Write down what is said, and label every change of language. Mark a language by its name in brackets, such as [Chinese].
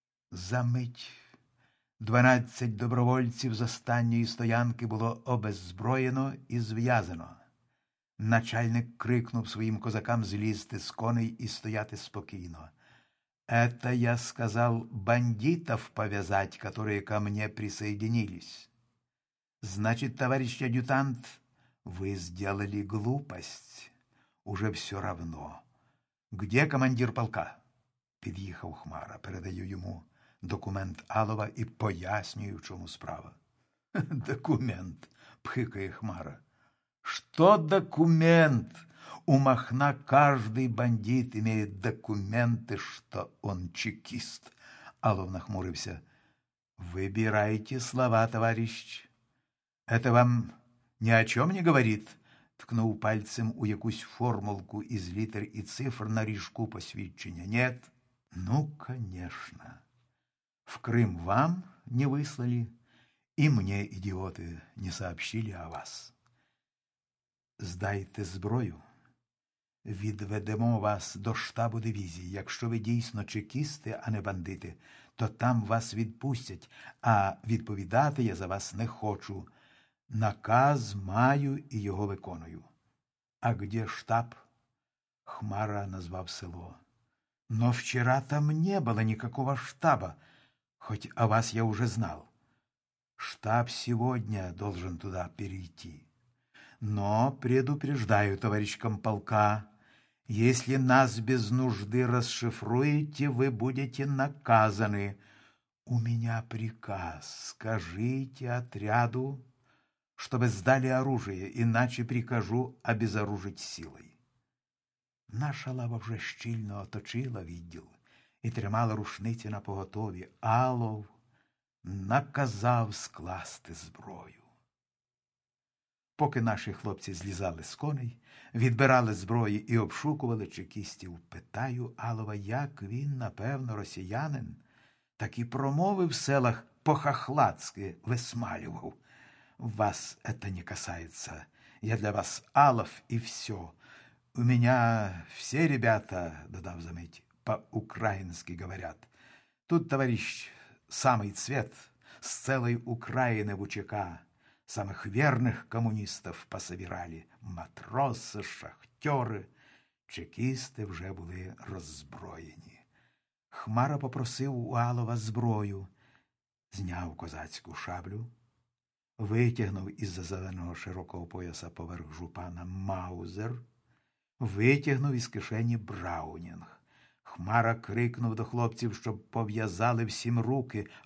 [Ukrainian] За мить 12 добровольців з останньої стоянки було обеззброєно і зв'язано. Начальник крикнув своїм козакам злізти з коней і стояти спокійно. [Russian] «Это, [Ukrainian] я сказав, [Russian] бандитов пов'язать, которые ко мне присоединились. Значит, товарищ адъютант, вы сделали глупость. Уже все равно. Где командир полка?» [Ukrainian] Під'їхав Хмара, передаю йому документ Алова і пояснюю, в чому справа. «Документ», – пхикає Хмара. [Russian] «Что документ? У Махна каждый бандит имеет документы, что он чекист». [Ukrainian] Алов нахмурився. [Russian] «Выбирайте слова, товарищ. Это вам ни о чем не говорит?» [Ukrainian] Ткнув пальцем у якусь формулку [Russian] из литр [Ukrainian] и цифр на ріжку посвідчення. [Russian] «Нет? Ну, конечно. В Крым вам не выслали, и мне, идиоты, не сообщили о вас. [Ukrainian] Здайте зброю. Відведемо вас до штабу дивізії. Якщо ви дійсно чекісти, а не бандити, то там вас відпустять, а відповідати я за вас не хочу. Наказ маю і його виконую». [Russian] «А где штаб?» Хмара [Ukrainian] назвав село. [Russian] «Но вчера там не было никакого штаба, хоть о вас я уже знал. Штаб сегодня должен туда перейти. Но предупреждаю, товарищ комполка, если нас без нужды расшифруете, вы будете наказаны. У меня приказ. Скажите отряду, чтобы сдали оружие, иначе прикажу обезоружить силой». [Ukrainian] Наша лава вже щільно оточила відділ і тримала рушниці на поготові. Алов наказав скласти зброю. Поки наші хлопці злізали з коней, відбирали зброю і обшукували чекістів, питаю Алова, як він, напевно, росіянин, так і промови в селах по-хахлацьки висмалював. [Russian] «Вас это не касается. Я для вас Алов [Ukrainian] і все. [Russian] У меня все ребята, – [Ukrainian] додав замить, [Russian] – по-украински говорят. Тут, товарищ, самый цвет с целой Украины в УЧК». Самых верных коммунистов пособирали. Матросы, шахтеры, чекисты уже были роззброєні. [Ukrainian] Хмара попросив у Алова зброю, зняв козацьку шаблю, витягнув із-за зеленого широкого пояса поверх жупана маузер, витягнув із кишені браунінг. Хмара крикнув до хлопців, щоб пов'язали всім руки.